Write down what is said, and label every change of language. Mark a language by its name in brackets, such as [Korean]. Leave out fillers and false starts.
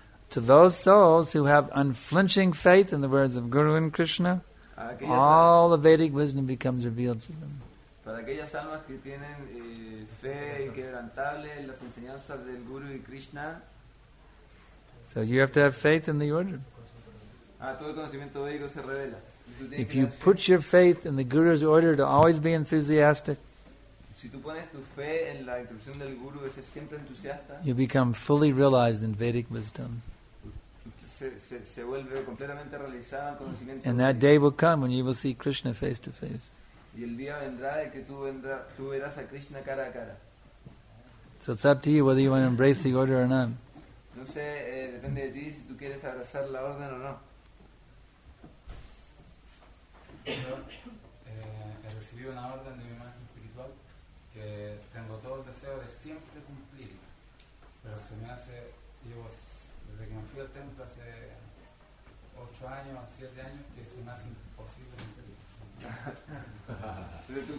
[English] To those souls who have unflinching faith in the words of Guru and Krishna, all the Vedic wisdom becomes revealed to them. [Spanish] Para aquellas almas que tienen fe inquebrantable en las enseñanzas del Guru y Krishna. [English] So you have to have faith in the order. [Spanish] Todo el conocimiento védico se revela. [English] If you put your faith in the Guru's order to always be enthusiastic, [Spanish] si tú pones tu fe en la instrucción del Guru de ser siempre entusiasta, [English] you become fully realized in Vedic wisdom. [Spanish] Se vuelve completamente realizado en conocimiento védico. [English] And that day will come when you will see Krishna face to face. [Spanish] Y el día vendrá el que tú verás a Krishna cara a cara. [English] So it's up to you whether you want to embrace the order or not. [Spanish] No sé, depende de ti si tú quieres abrazar la orden o no. He recibido una orden de mi maestro espiritual que tengo todo el deseo de siempre cumplirla. Pero se me hace, desde que me fui al templo hace 8 años, 7 años, que se me hace imposible cumplirla.